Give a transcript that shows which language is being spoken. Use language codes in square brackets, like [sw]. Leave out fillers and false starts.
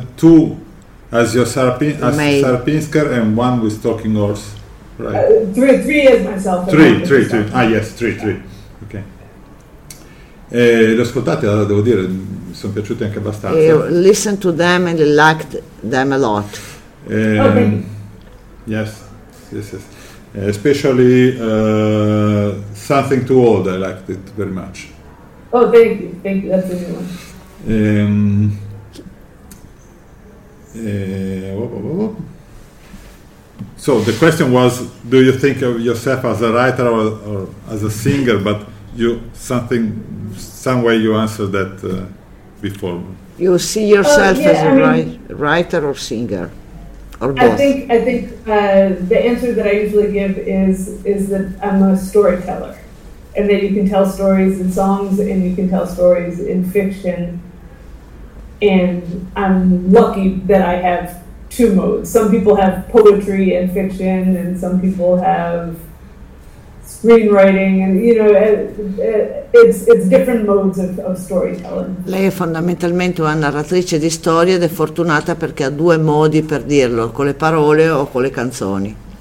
[en] Two as your Sarapinsker and one with Talking Horse, right? Three as myself. Three. Ah, yes, three. Okay. [it] E l'ho ascoltata, devo dire, mi sono piaciute anche abbastanza. [en] I listened to them and I liked them a lot. Yes. Especially Something Too Old, I liked it very much. Oh, thank you, that's a good one. So the question was, do you think of yourself as a writer or as a singer? But you some way you answered that before. You see yourself as a writer or singer, or both? I think the answer that I usually give is that I'm a storyteller, and that you can tell stories in songs, and you can tell stories in fiction. And I'm lucky that I have two modes. Some people have poetry and fiction, and some people have screenwriting, and, you know, it's different modes of storytelling. [it] Lei è fondamentalmente una narratrice di storie ed è fortunata perché ha due modi per dirlo, con le parole o con le canzoni.